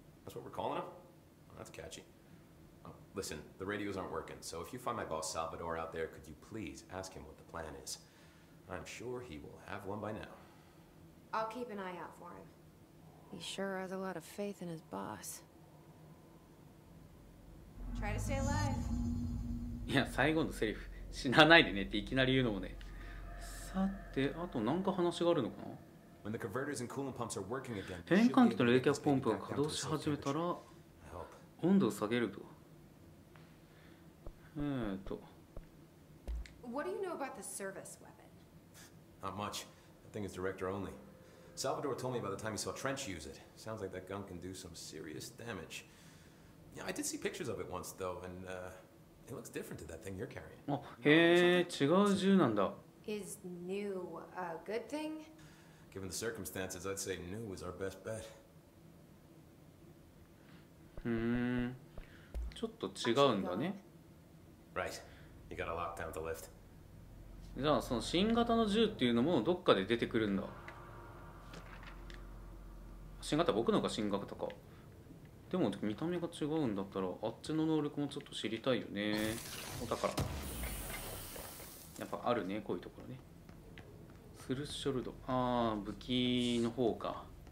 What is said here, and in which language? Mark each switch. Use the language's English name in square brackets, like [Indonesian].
[English] That's what we're calling him? Well, that's catchy. Oh, listen, the radios aren't working, so if you find my boss Salvador out there, could you please ask him what the plan is? I'm sure he will have one by now. I'll keep an eye out for him. He sure has a lot of faith in his boss. Try to stay alive. [Japanese] いや、最後のセリフ、死なないでねっていきなり言うのもね。さて、あと何か話があるのかな？ [English] When the converters and coolant pumps are working again, [Japanese] 変換器と冷却ポンプが稼働し始めたら温度を下げると。 [English] What do you know about the service weapon? Not much. That thing is director only. Salvador told me about the time he saw Trench use it. Sounds like that gun can do some serious damage. Yeah, I did see pictures of it once though, and it looks different to that thing you're carrying. [Japanese] へえ、違う銃なんだ。 [English] Is new a good thing? Given the circumstances, I'd say new is our best bet. [Japanese] ちょっと違うんだね。 [English] Right. You got a lockdown to lift. [Japanese] じゃあその新型の銃っていうのもどっかで出てくるんだ。新型、僕のが新型か。でも見た目が違うんだったら、あっちの能力もちょっと知りたいよね。お宝。やっぱあるね、こういうところね。フルショルド、ああ武器の方か。